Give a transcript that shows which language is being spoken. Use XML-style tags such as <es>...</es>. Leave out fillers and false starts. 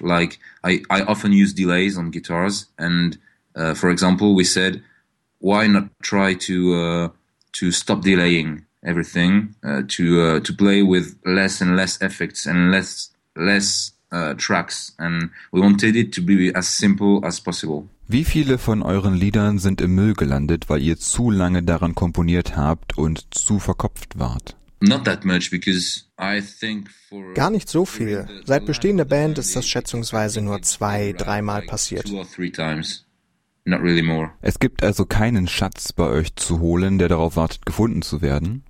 <en>Like I often use delays on guitars, and for example, we said, why not try to stop delaying everything, to play with less and less effects and less tracks, and we wanted it to be as simple as possible.</en> <de>Wie viele von euren Liedern sind im Müll gelandet, weil ihr zu lange daran komponiert habt und zu verkopft wart?</de> <en>Not that much, because I think for</en> <de>gar nicht so viel. Seit Bestehen der Band ist das schätzungsweise nur 2-3 Mal passiert.</de> <en>Not really more.</en> <de>Es gibt also keinen Schatz bei euch zu holen, der darauf wartet, gefunden zu werden?</de>